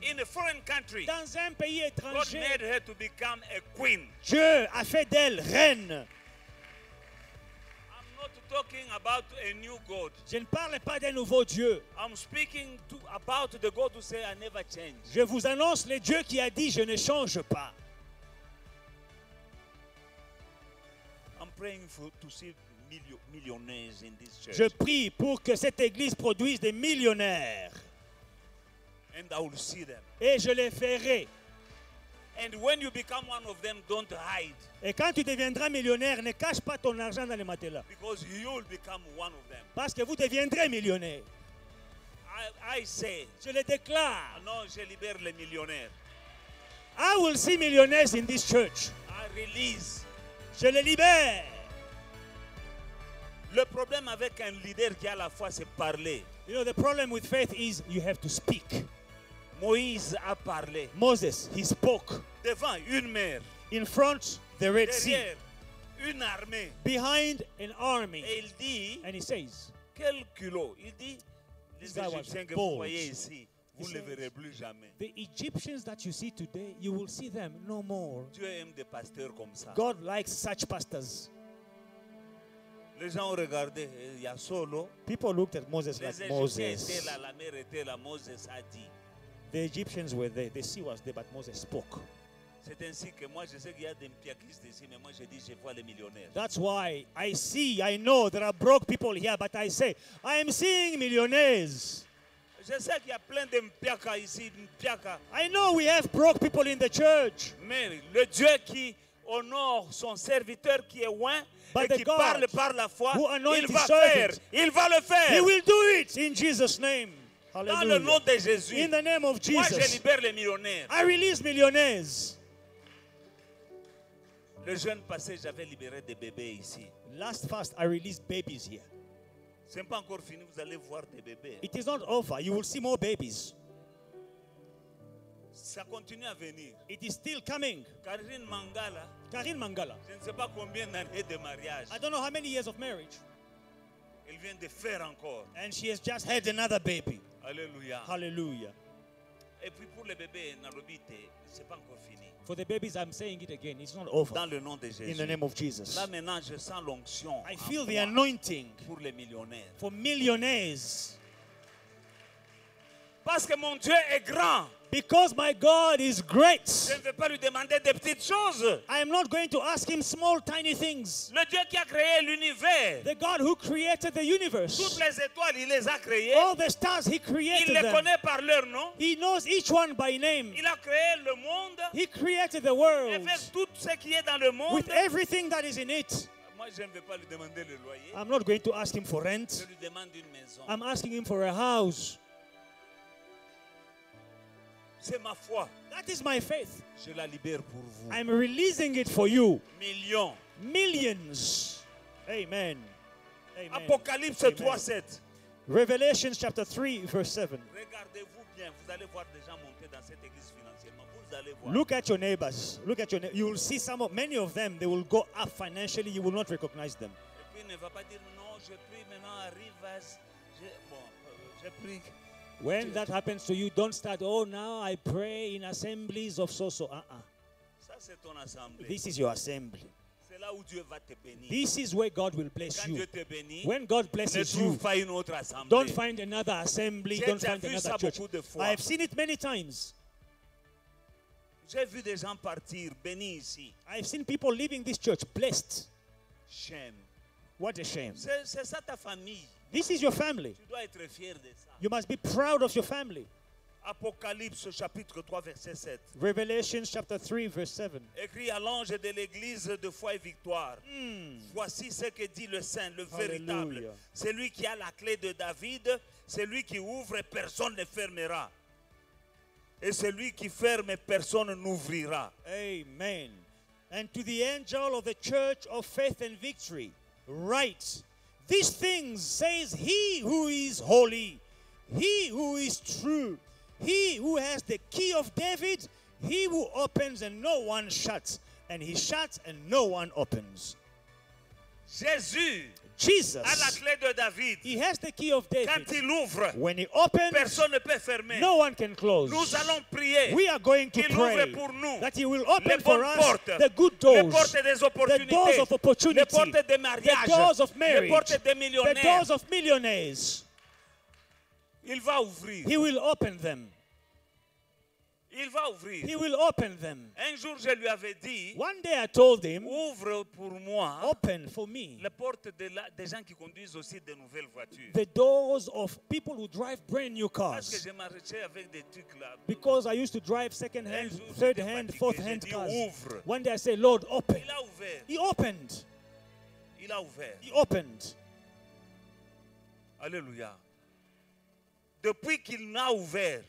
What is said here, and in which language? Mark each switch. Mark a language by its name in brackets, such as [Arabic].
[English] In a foreign country. [French] Dans un pays étranger. [English] God made her to become a queen. [French] Dieu a fait d'elle reine. [English] I'm not talking about a new God. [French] Je ne parle pas d'un nouveau Dieu. [English] I'm speaking to about the God who said I never change. [French] Je vous annonce le Dieu qui a dit je ne change pas. [English] I'm praying for to see millionnaires in this church. [French] Je prie pour que cette église produise des millionnaires. [English] And I will see them. [French] Et je les verrai. [English] And when you become one of them, don't hide. [French] Et quand tu deviendras millionnaire, ne cache pas ton argent dans les matelas. [English] Because you will become one of them. [French] Parce que vous deviendrez millionnaire. [English] I say, [French] je le déclare. Non, je libère les millionnaires. [English] I will see millionaires in this church. I release. [French] Je les libère. Le problème avec un leader qui a la foi, c'est parler. [English] You know, the problem with faith is you have to speak. [French] Moïse a parlé. [English] Moses, he spoke. [French] Devant une mer. [English] In front, the Red [French] Derrière, [English] Sea. [French] Une armée. [English] Behind, an army. [French] Et il dit, [English] and he says, [French] quel culot. Il dit, les Égyptiens que vous voyez ici, vous ne les verrez plus jamais. [English] The Egyptians that you see today, you will see them no more. [French] Dieu aime des pasteurs comme ça. [English] God likes such pastors. [French] Les gens ont regardé, il y a solo. [English] People looked at Moses [French] les [English] like Moses. [French] Étaient là, la mer était là, Moses a dit. [English] The Egyptians were there. The sea was there, but Moses spoke. [French] C'est ainsi que moi, je sais qu'il y a des piakistes ici, mais moi, je dis, je vois les millionnaires. [English] That's why I see, I know there are broke people here, but I say, I am seeing millionaires. [French] Je sais qu'il y a plein de mpiaka ici, mpiaka. [English] I know we have broke people in the church. [French] Mais le Dieu qui honore son serviteur qui est loin. [English] But [French] et qui [English] God [French] parle par la foi, [English] who [French] il va faire, il va le faire. [English] He will do it in Jesus' name. [French] Hallelujah. Dans le nom de Jésus. [English] In the name of Jesus. [French] Moi, je libère les millionnaires. [English] I release millionaires. [French] Le jeune passé, j'avais libéré des bébés ici. [English] Last fast, I release babies here. [French] C'est pas encore fini, vous allez voir des bébés. [English] It is not over, you will see more babies. [French] Ça continue à venir. [English] It is still coming. [French] Karine Mangala. [English] Karine Mangala. [French] Je ne sais pas combien d'années de mariage. [English] I don't know how many years of marriage. [French] Elle vient de faire encore. [English] And she has just had another baby. [French] Alléluia. [English] Hallelujah. [French] Et puis pour les bébés Nalobite, c'est pas encore fini. [English] For the babies, I'm saying it again. It's not over. [French] Dans le nom de Jésus. [English] In the name of Jesus. [French] Là maintenant, je sens l'onction. [English] I feel the anointing. [French] Pour les millionnaires. [English] For millionaires. [French] Parce que mon Dieu est grand. [English] Because my God is great. [French] Je ne vais pas lui demander des petites choses. [English] I am not going to ask him small, tiny things. [French] Le Dieu qui a créé l'univers. [English] The God who created the universe. [French] Toutes les étoiles, il les a créées. [English] All the stars, he created them. [French] Il les [English] them. [French] Connaît par leur nom. [English] He knows each one by name. [French] Il a créé le monde. [English] He created the world. [French] Avec tout ce qui est dans le monde. [English] With everything that is in it. [French] Moi, je ne vais pas lui demander le loyer. [English] I'm not going to ask him for rent. [French] Je lui demande une maison. [English] I'm asking him for a house. [French] C'est ma foi. [English] That is my faith. [French] Je la libère pour vous. [English] I'm releasing it for you. [French] Millions. [English] Millions. Amen. [French] Amen. Apocalypse 3:7. [English] Revelation chapter 3 verse 7. [French] Regardez-vous bien, vous allez voir des gens monter dans cette église financièrement. Vous allez voir. [English] Look at your neighbors. Look at your neighbors. You will see some of, many of them, they will go up financially, you will not recognize them. [French] Et puis ne va pas dire non, je prie maintenant arrive, je bon, je prie. [English] When that happens to you, don't start, oh, now I pray in assemblies of so-so. [French] Ça, c'est ton assemblée. [English] This is your assembly. [French] C'est là où Dieu va te bénir. [English] This is where God will bless [French] quand [English] you. [French] Dieu te bénit, [English] when God blesses you, [French] pas une autre assemblée. [English] Don't find another assembly, [French] j'ai [English] don't find another church. [French] De fois. [English] I have seen it many times. [French] J'ai vu des gens partir, bénis ici. [English] I have seen people leaving this church blessed. Shame. What a shame. [French] C'est ça ta famille. [English] This is your family. [French] Tu dois être fier de ça. [English] You must be proud of your family. [French] Apocalypse chapitre 3 verset 7. [English] Revelation chapter 3 verse 7. [French] Écrit à l'ange de l'église de foi et victoire. Voici ce que dit le Saint, le véritable, celui qui a la clé de David, celui qui ouvre, personne ne fermera. Et celui qui ferme, personne n'ouvrira. Amen. [English] And to the angel of the church of faith and victory, write, these things says he who is holy, he who is true, he who has the key of David, he who opens and no one shuts, and he shuts and no one opens. Jesus [French] a la clé de David. [English] He has the key of David. [French] Quand il ouvre, [English] when he opens, [French] personne ne peut fermer. [English] No one can close. [French] Nous allons prier. [English] We are going to [French] qu'il [English] pray [French] ouvre pour nous [English] that he will open [French] les [English] for us [French] portes, [English] the good doors, [French] les portes des opportunités, [English] the doors of opportunity, [French] les portes des mariages, [English] the doors of marriage, [French] les portes des millionnaires, [English] the doors of millionaires. [French] Il va ouvrir. [English] He will open them. [French] Il va ouvrir. [English] He will open them. [French] Un jour, je lui avais dit, [English] one day I told him, [French] ouvre pour moi, [English] open for me, [French] la porte de la, des gens qui conduisent aussi de nouvelles voitures. [English] The doors of people who drive brand new cars. [French] Parce que je marchais avec des trucs là. [English] Because I used to drive second hand, third hand, fourth hand cars. [French] Ouvre. [English] One day I said, Lord, open. [French] Il a ouvert. [English] He opened. [French] Il a ouvert. [English] He opened. [French] Alléluia. Depuis qu'il n'a ouvert,